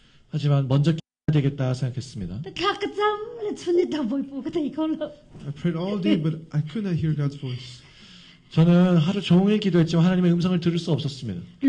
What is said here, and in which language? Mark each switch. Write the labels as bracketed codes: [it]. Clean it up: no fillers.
[ko] 하지만 먼저 기도해야 되겠다 생각했습니다. [en] I prayed all day, but I could not hear God's voice. [ko] 저는 하루 종일 기도했지만 하나님의 음성을 들을 수 없었습니다.